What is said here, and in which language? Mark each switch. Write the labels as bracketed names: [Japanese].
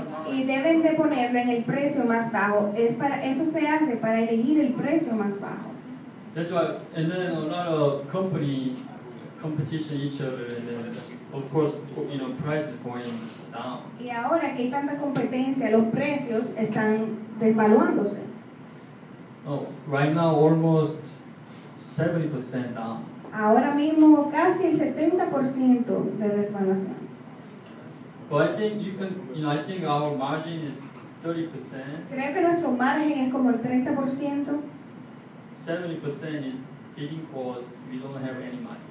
[Spanish] Y deben de ponerlo en el precio más bajo. Es para eso se hace, para elegir el precio más bajo. [English] That's why, and then a lot of company competition each other, and then of course, you know, price is going down. [Spanish] Y ahora que hay tanta competencia, los precios están desvaluándose. [English] Oh, right now almost 70% down. [Spanish] Ahora mismo casi el 70% de desvaluación. [English] But I think you can, you know, I think our margin is 30%. [Spanish] ¿Creo que nuestro margen es como el 30%? [English] 70% is bidding cost, we don't have any money.